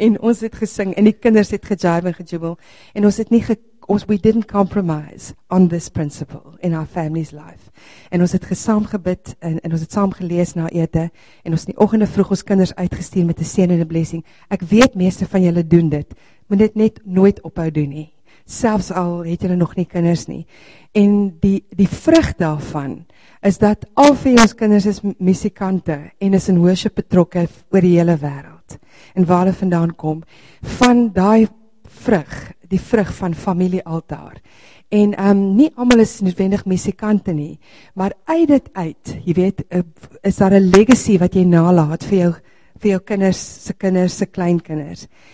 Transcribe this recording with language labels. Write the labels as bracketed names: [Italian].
[Afrikaans] En ons het gesing en die kinders het gejive en gejubel en ons het nie [English] we didn't compromise on this principle in our family's life. [Afrikaans] En ons het gesaam gebid en ons het saam gelees na ete en ons in die oggende vroeg ons kinders uitgestuur met 'n seën en 'n blessing. Ek weet meeste van julle doen dit. Moet dit net nooit ophou doen nie. Selfs al het julle nog nie kinders nie. En die vrug daarvan is dat al vir ons kinders is musikante en is in worship betrokke oor die hele wêreld. En waar hulle vandaan kom, van daai vrug, die vrug van familiealtaar. En nie almal is noodwendig musikante nie, maar uit dit uit, jy weet, is daar 'n legacy wat jy nalaat vir jou kinders, se kinders, se kleinkinders.